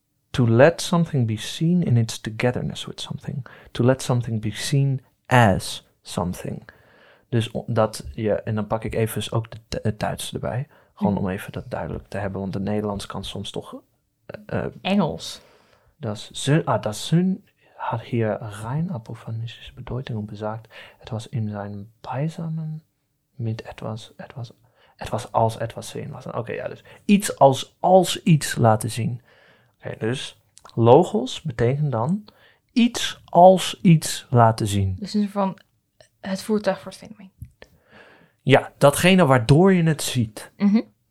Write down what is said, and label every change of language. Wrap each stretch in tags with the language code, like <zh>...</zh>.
<en>To let something be seen in its togetherness with something. To let something be seen as something.</en> <nl>Dus dat je, en dan pak ik even ook het Duits erbij. Gewoon om even dat duidelijk te hebben, want de Nederlands kan soms toch... Engels.</nl> <de>Das Sinn, ah, das Sinn, had hier rein apophanistische Bedeutung und besagt, etwas in seinem Beisammen mit etwas als etwas sehen lassen.</de> <nl>Okay, ja, dus iets als iets laten zien. Okay, dus logos betekent dan iets als iets laten zien. Dus in van het voertuig voor het fenomeen. Ja, datgene waardoor je het ziet. Mm-hmm.</nl>